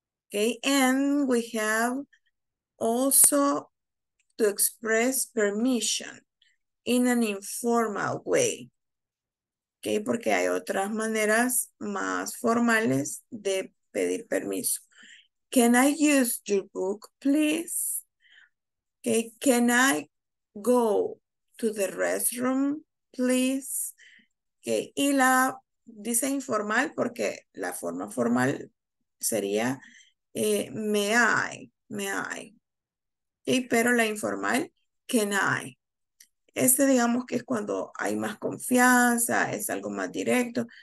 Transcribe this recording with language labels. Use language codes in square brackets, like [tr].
[en] Okay, and we have also to express permission. in an informal way. [es] Okay, porque hay otras maneras más formales de pedir permiso. [en] Can I use your book, please? Okay, can I go to the restroom, please? [es] Okay, y la dice informal porque la forma formal sería [en] may I. [es] Okay, pero la informal, [en] can I? [es] Este digamos que es cuando hay más confianza, es algo más directo.